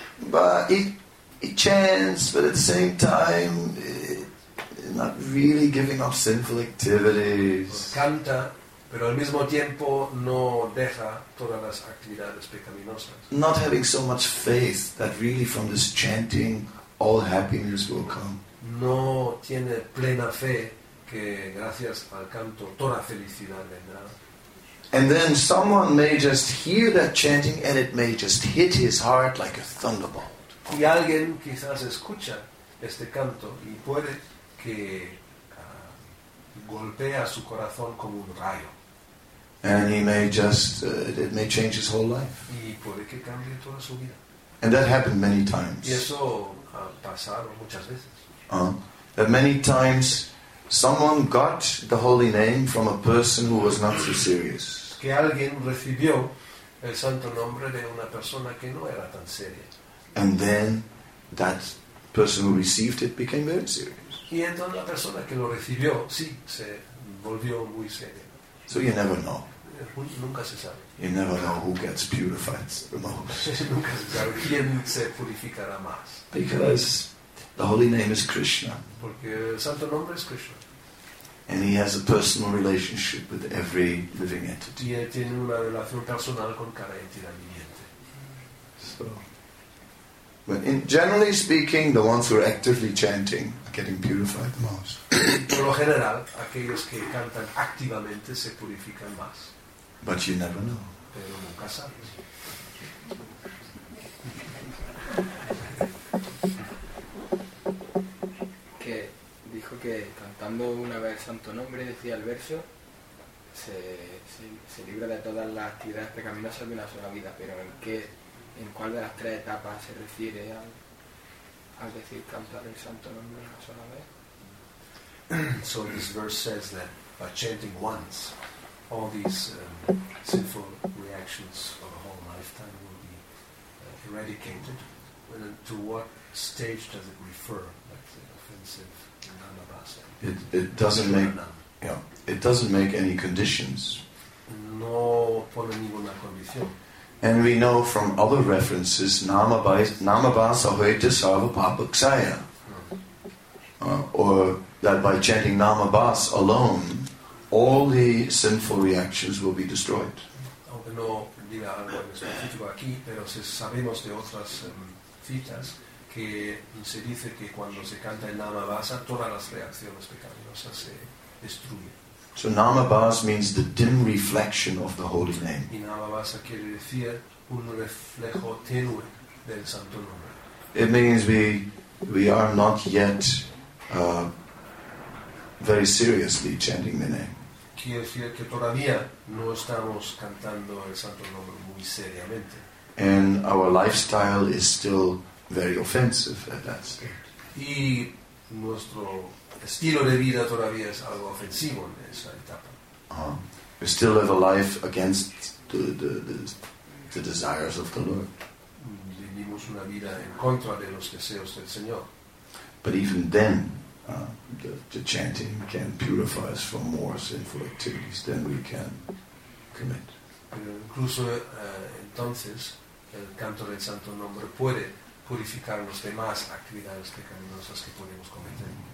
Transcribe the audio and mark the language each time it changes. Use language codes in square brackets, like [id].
[en] But it chants, but at the same time, it's not really giving up sinful activities. [es] Canta, pero al mismo tiempo no deja todas las actividades pecaminosas. [en] Not having so much faith that really from this chanting all happiness will come. [es] No tiene plena fe que gracias al canto toda felicidad vendrá. [en] And then someone may just hear that chanting and it may just hit his heart like a thunderbolt. [es] Y alguien quizás escucha este canto y puede que golpea su corazón como un rayo. [en] And he may just, it may change his whole life. [es] Y puede que cambie toda su vida. [en] And that happened many times. [es] Y eso ha pasado muchas veces. [en] That many times someone got the holy name from a person who was not so serious. [es] Que alguien recibió el santo nombre de una persona que no era tan seria. [en] And then that person who received it became very serious. [es] Y entonces la persona que lo recibió, sí, se volvió muy seria. [en] So you never know. [es] Nunca se sabe. [en] You never know who gets purified the most. [es] Nunca se sabe quién se purificará más. [en] Because the holy name is Krishna. [es] Porque el santo nombre es Krishna. [en] And he has a personal relationship with every living entity. [es] Y él tiene una relación personal con cada entidad viviente. [en] So, but in generally speaking, the ones who are actively chanting are getting purified the most. [es] Por lo general, aquellos que cantan activamente se purifican más. [en] But you never know. [es] Pero nunca sabes. Que cantando una vez santo nombre, decía el verso, se libra de todas las actividades pecaminosas de una sola vida, pero ¿en cuál de las tres etapas se refiere al decir cantar el santo nombre una sola vez? [en] So this verse says that by chanting once, all these sinful reactions of a whole lifetime will be eradicated. Well, to what stage does it refer, like the offensive? It doesn't make any conditions. [es] No pone ninguna condición. [en] And we know from other references, [bn] namabasa hoite sarva papa ksaya. [en] Or that by chanting namabasa alone, all the sinful reactions will be destroyed. [es] Aunque no diga algo en específico aquí, pero sabemos de otras citas, que se dice que cuando se canta el namabasa todas las reacciones pecaminosas se destruyen. [en] So namabasa means the dim reflection of the holy name. [es] Y namabasa quiere decir un reflejo tenue del santo nombre. [en] It means we are not yet very seriously chanting the name. [es] Quiere decir que todavía no estamos cantando el santo nombre muy seriamente. [en] And our lifestyle is still very offensive at that stage. [es] Y nuestro estilo de vida todavía es algo ofensivo en esa etapa. [en] We still live a life against the desires of the Lord. [es] Vivimos una vida en contra de los deseos del Señor. [en] But even then, the chanting can purify us from more sinful activities than we can commit. [es] Pero incluso entonces, el canto del santo nombre puede purificarnos de más actividades pecaminosas que podemos cometer.